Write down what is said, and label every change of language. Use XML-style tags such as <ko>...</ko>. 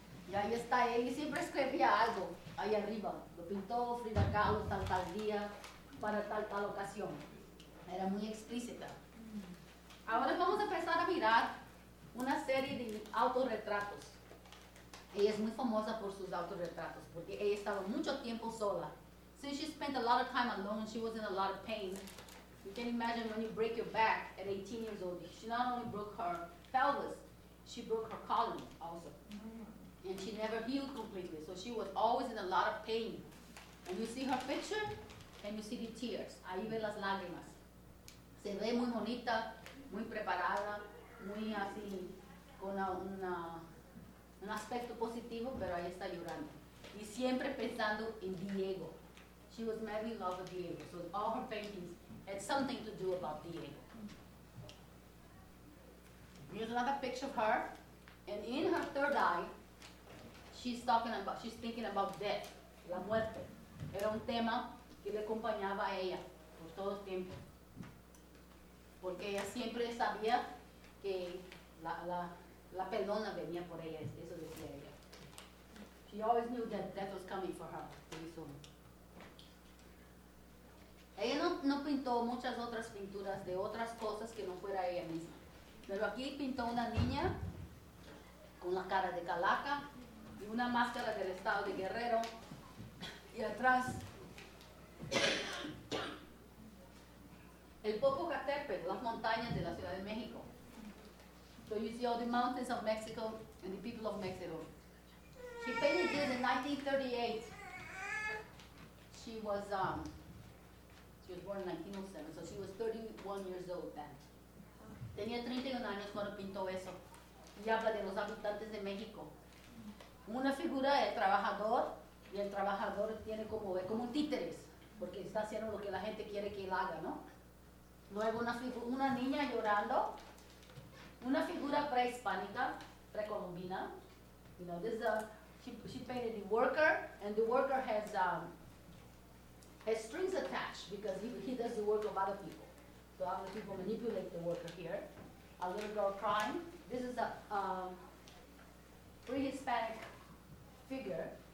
<es>Y ahí está él y siempre escribía algo ahí arriba. Lo pintó Frida Kahlo tal día, para tal ocasión. Era muy explícita. Ahora vamos a empezar a mirar una serie de autorretratos. Ella es muy famosa por sus autorretratos porque ella estaba mucho tiempo sola.</es> <en>Since she spent a lot of time alone, she was in a lot of pain. You can imagine when you break your back at 18 years old. She not only broke her pelvis, she broke her column also. And she never healed completely. So she was always in a lot of pain. And you see her picture? and you see the tears.</en> <es>Ahí ve las lágrimas. Se ve muy bonita, muy preparada, muy así, con un aspecto positivo, pero ahí está llorando. Y siempre pensando en Diego.</es> <en>She was madly in love with Diego. So all her paintings had something to do about Diego. Here's another picture of her. And in her third eye, she's thinking about death, la muerte.</en> <es>Era un tema que le acompañaba a ella por todo el tiempo. Porque ella siempre sabía que la perdona venía por ella, eso decía ella.</es> <en>She always knew that death was coming for her, pretty soon.</en> <es>Ella no pintó muchas otras pinturas de otras cosas que no fuera ella misma. Pero aquí pintó una niña con la cara de calaca y una máscara del estado de Guerrero. Y atrás, el Popocatépetl, las montañas de la Ciudad de México.</es> <en>So you see all the mountains of Mexico and the people of Mexico. She painted this in 1938. She was born in 1907, so she was 31 years old then.</en> <es>Tenía 31 años cuando pintó eso. Y habla de los habitantes de México. Una figura es trabajador, y el trabajador tiene como títeres, porque está haciendo lo que la gente quiere que él haga, ¿no? Luego una niña llorando, una figura prehispánica, precolombina.</es> <en>You know, this is she painted the worker, and the worker has strings attached because he does the work of other people. So other people manipulate the worker here. A little girl crying. This is a pre-Hispanic figure.</en>